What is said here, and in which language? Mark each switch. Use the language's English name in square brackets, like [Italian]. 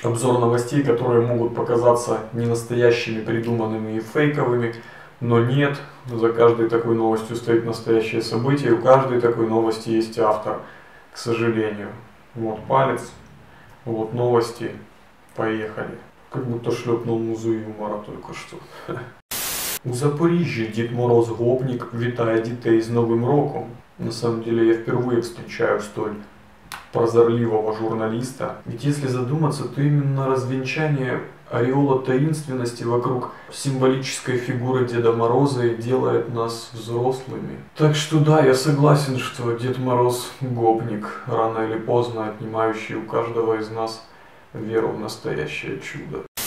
[Russian] Обзор новостей, которые могут показаться ненастоящими, придуманными и фейковыми, но нет. За каждой такой новостью стоит настоящее событие, и у каждой такой новости есть автор, к сожалению. Вот палец, вот новости, поехали. Как будто шлепнул музу юмора только что. [Ukrainian] У Запоріжжя Дід Мороз Гопник вітає дітей з Новим Роком. [Russian] На самом деле я впервые встречаю столь прозорливого журналиста. Ведь если задуматься, то именно развенчание ореола таинственности вокруг символической фигуры Деда Мороза и делает нас взрослыми. Так что да, я согласен, что Дед Мороз – гопник, рано или поздно отнимающий у каждого из нас веру в настоящее чудо.